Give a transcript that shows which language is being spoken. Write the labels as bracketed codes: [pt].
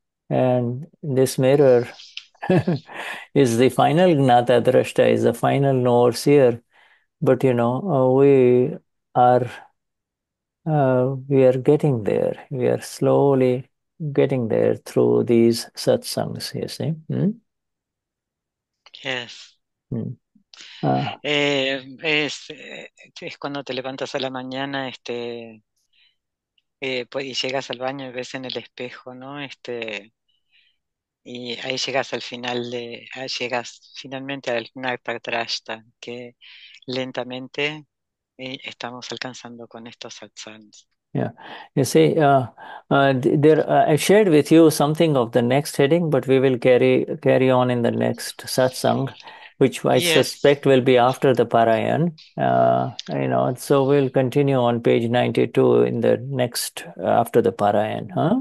[en] And this mirror is the final Gnata Drashta, is the final knower seer. But you know, we are We are getting there. We are slowly getting there through these satsangs, you see. Yes. Ah. [es] Es cuando te levantas a la mañana, pues, y llegas al baño y ves en el espejo, ¿no? Y ahí llegas al final de, ahí llegas finalmente al Nataraja, que lentamente estamos alcanzando con estos satsangs. [en] You see, I shared with you something of the next heading, but we will carry on in the next satsang, which I suspect Yes. will be after the Parayan. So we'll continue on page 92 in the next after the Parayan, huh?